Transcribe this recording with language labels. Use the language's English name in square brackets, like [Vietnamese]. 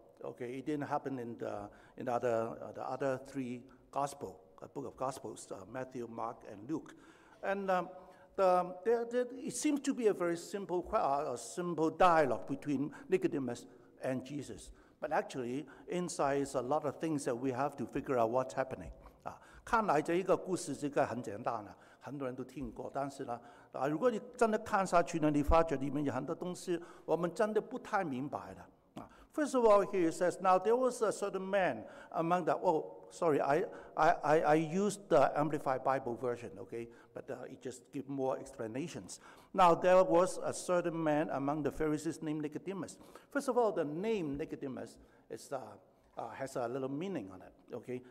[English] Okay, it didn't happen in the other three Gospels, Matthew, Mark, and Luke. And it seems to be a very simple dialogue between Nicodemus and Jesus. But actually, inside is a lot of things that we have to figure out what's happening. [Chinese] 看来这一个故事这个很简单的，很多人都听过。但是呢，如果你真的看下去呢，你发觉里面有很多东西我们真的不太明白的。 [English] First of all, here it says, now there was a certain man among the... Oh, sorry, I used the Amplified Bible version, okay? But it just gives more explanations. Now there was a certain man among the Pharisees named Nicodemus. First of all, the name Nicodemus has a little meaning on it, okay?